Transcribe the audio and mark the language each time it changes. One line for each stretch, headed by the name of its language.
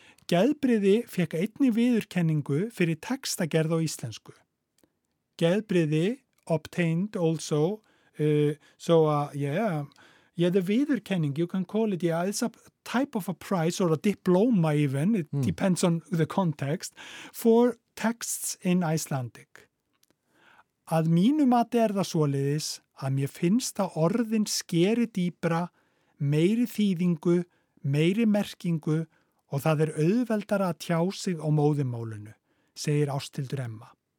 Icelandic: Geðbriði fekk einni viðurkenningu fyrir textagerð á íslensku.
English: Geðbriði obtained also the viðurkenning, you can call it, it's a type of a prize or a diploma even, it depends on the context, for texts in Icelandic.
Icelandic: Að mínu mati það svoleiðis að mér finnst að orðin skeri dýpra meiri þýðingu, meiri merkingu og það auðveldara að tjá sig á móðumálinu, segir Ásthildur Emma.